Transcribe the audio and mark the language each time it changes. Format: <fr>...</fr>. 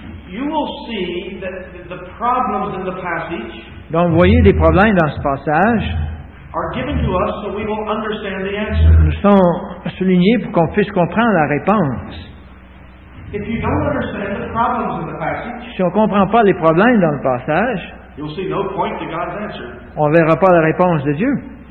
<en>You will see that the problems in the passage,</en> <fr>donc, vous voyez des problèmes dans ce passage,</fr> <en>are given to us so we will understand the answer.</en> <fr>Nous sont soulignés pour qu'on puisse comprendre la réponse.</fr> <en>If you don't understand the problems in the passage,</en> <fr>si on ne comprend pas les problèmes dans le passage,</fr> <en>you'll see no point to God's answer.</en> <fr>On ne verra pas la réponse de Dieu.</fr>